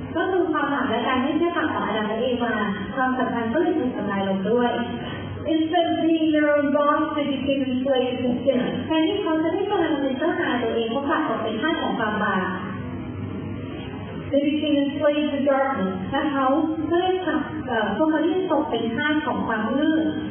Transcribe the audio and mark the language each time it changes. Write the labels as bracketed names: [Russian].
[Thai] ก็คือความหมายและการที่เชื่อฟังของอาดัมและเอวาความสัมพันธ์ก็เลยถูกทำลายลงด้วย [English] Instead of being their own boss, they became enslaved to sin. [Thai] แทนที่เขาจะได้กำลังเป็นเจ้านายตัวเองเขากลับเป็นทาสของความบาป [English] They became enslaved to darkness. [Thai] และเขาก็เลยทำพวกเขาที่ตกเป็นทาสของความมืด